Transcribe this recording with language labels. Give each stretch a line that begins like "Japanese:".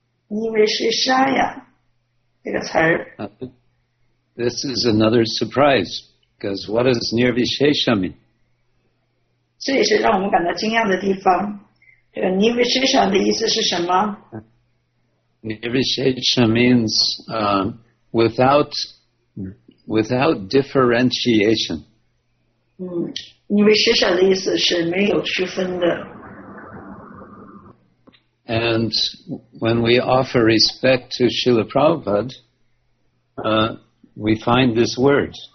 Chinese: Nirsheshaya, 这个词儿。
English: This is another surprise, because what does nirvishesha mean?
Chinese: 这也是让我们感到惊讶的地方。这个 nirvishesha 的意思是什么？
English: Nirvishesha means without differentiation.
Chinese: Nirvishesha 的意思是没有区分的。
English: And when we offer respect to Srila Prabhupada, we find this word.